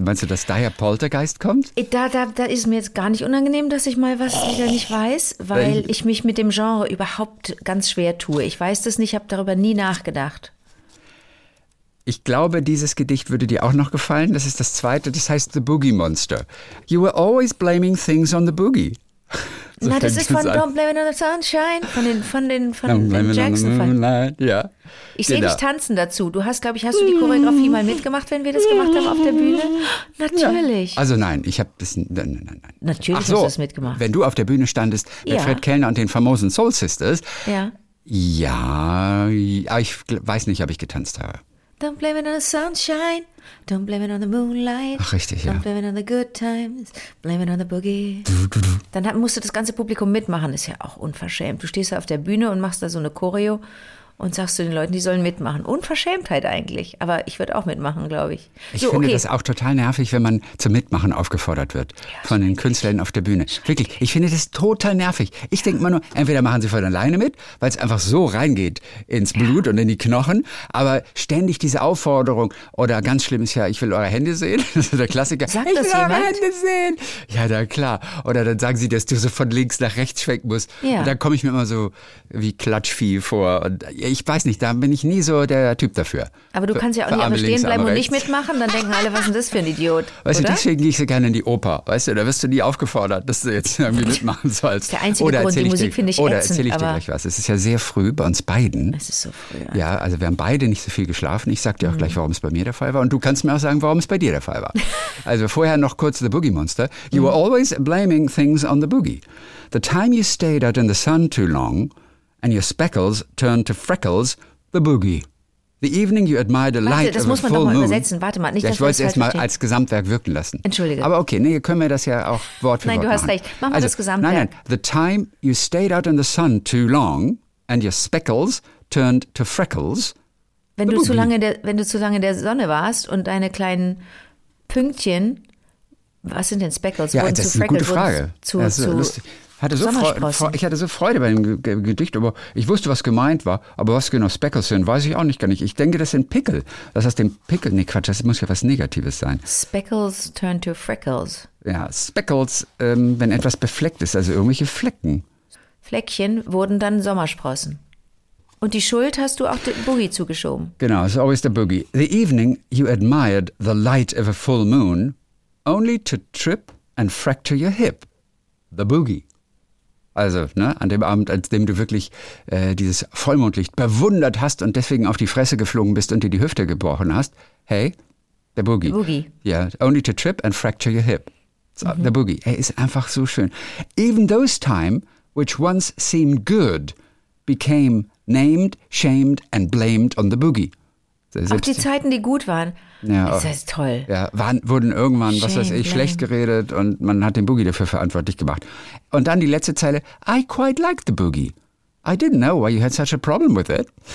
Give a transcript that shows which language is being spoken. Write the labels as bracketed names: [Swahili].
[German] Meinst du, dass daher Poltergeist kommt? Da ist mir jetzt gar nicht unangenehm, dass ich mal was wieder nicht weiß, weil ich mich mit dem Genre überhaupt ganz schwer tue. Ich weiß das nicht, habe darüber nie nachgedacht. Ich glaube, dieses Gedicht würde dir auch noch gefallen. Das ist das zweite, das heißt The Boogie Monster. [English] You were always blaming things on the boogie. [German] So. Na, das ist von Don't Blame It on the Sunshine, von den Jackson. Ja. Ich sehe dich tanzen dazu. Du hast, glaube ich, hast du die Choreografie mal mitgemacht, wenn wir das gemacht haben auf der Bühne? Natürlich. Ja. Also nein, ich habe das. Nein. Natürlich hast du das mitgemacht. Wenn du auf der Bühne standest mit Fred Kellner und den famosen Soul Sisters. Ja. Ja, ich weiß nicht, ob ich getanzt habe. [English] Don't blame it on the sunshine, don't blame it on the moonlight. [German] Ach, richtig, [English] don't blame it on the good times, blame it on the boogie. [German] Dann musst du das ganze Publikum mitmachen, ist ja auch unverschämt. Du stehst da auf der Bühne und machst da so eine Choreo und sagst zu den Leuten, die sollen mitmachen. Unverschämtheit eigentlich, aber ich würde auch mitmachen, glaube ich. Ich finde das auch total nervig, wenn man zum Mitmachen aufgefordert wird von den Künstlern auf der Bühne. Wirklich, ich finde das total nervig. Ich denke immer nur, entweder machen sie von alleine mit, weil es einfach so reingeht ins Blut und in die Knochen, aber ständig diese Aufforderung oder ganz schlimm ist ja, ich will eure Hände sehen, das ist der Klassiker. Sagt ich das will jemand? Eure Hände sehen. Ja, na klar. Oder dann sagen sie, dass du so von links nach rechts schwenken musst. Ja. Und dann komme ich mir immer so wie Klatschvieh vor und ich weiß nicht, da bin ich nie so der Typ dafür. Aber du kannst ja auch nicht am Stehen bleiben und nicht mitmachen, dann denken alle, was ist das für ein Idiot? Weißt oder? Du, deswegen gehe ich so gerne in die Oper, weißt du, da wirst du nie aufgefordert, dass du jetzt irgendwie mitmachen sollst. Der einzige oder Grund, die Musik finde ich oder ätzend. Oder erzähle ich dir gleich was, es ist ja sehr früh bei uns beiden. Es ist so früh. Ja, also wir haben beide nicht so viel geschlafen, ich sag dir auch gleich, warum es bei mir der Fall war und du kannst mir auch sagen, warum es bei dir der Fall war. Also vorher noch kurz The Boogie Monster. [English] You were always blaming things on the boogie. The time you stayed out in the sun too long, and your speckles turned to freckles, the boogie. The evening you admired the light of a full moon. [German] Warte, das muss man doch mal übersetzen. Warte mal. Nicht, ja, ich wollte es erstmal als Gesamtwerk wirken lassen. Entschuldige. Aber okay, nee, können wir das ja auch Wort für Wort machen. Nein, du hast recht. Machen wir also, das Gesamtwerk. [English] Nein, the time you stayed out in the sun too long and your speckles turned to freckles, [German] wenn du zu lange in der, wenn du zu lange in der Sonne warst und deine kleinen Pünktchen, was sind denn Speckles? Ja, das ist eine gute Frage. Ich hatte so Freude bei dem Gedicht, aber ich wusste, was gemeint war. Aber was genau Speckles sind, weiß ich auch nicht gar nicht. Ich denke, das sind Pickel. Das heißt, den Pickel, nee, Quatsch, das muss ja was Negatives sein. [English] Speckles turn to freckles. [German] Ja, Speckles, wenn etwas befleckt ist, also irgendwelche Flecken. Fleckchen wurden dann Sommersprossen. Und die Schuld hast du auch dem Boogie zugeschoben. [English] Genau, it's always the boogie. The evening you admired the light of a full moon, only to trip and fracture your hip. The boogie. [German] Also, ne, an dem Abend, an dem du wirklich dieses Vollmondlicht bewundert hast und deswegen auf die Fresse geflogen bist und dir die Hüfte gebrochen hast. Hey, der Boogie. [English] The Boogie. Yeah, only to trip and fracture your hip. So, the Boogie. [German] Er ist einfach so schön. [English] Even those time, which once seemed good, became named, shamed and blamed on the Boogie. [German] Auch die Zeiten, die gut waren. Ja, ist das toll. Ja, wurden irgendwann, was weiß ich, schlecht geredet und man hat den Boogie dafür verantwortlich gemacht. Und dann die letzte Zeile, [English] I quite liked the Boogie. I didn't know why you had such a problem with it.